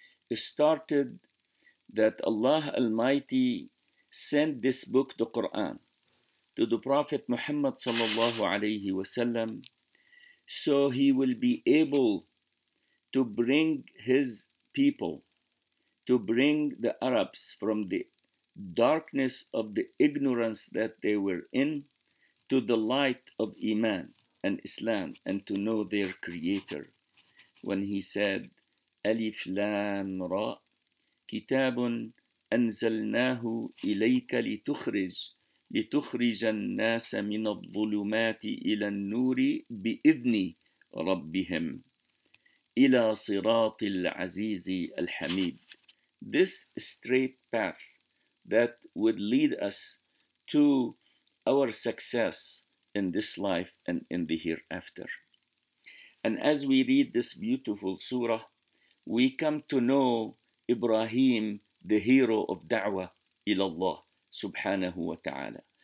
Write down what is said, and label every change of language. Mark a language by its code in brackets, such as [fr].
[en] It started that Allah Almighty sent this book, the Quran, to the Prophet Muhammad sallallahu alayhi wasallam, so he will be able to bring his people, to bring the Arabs from the darkness of the ignorance that they were in to the light of Iman and Islam and to know their Creator. When he said, [ar] Alif Lam Ra, Kitabun أنزلناه إليك لتخرج الناس من الظلمات إلى النور بإذن ربهم إلى صراط العزيز الحميد. [en] This straight path that would lead us to our success in this life and in the hereafter. And as we read this beautiful surah, we come to know Ibrahim, the hero of da'wah ila Allah subhanahu wa ta'ala.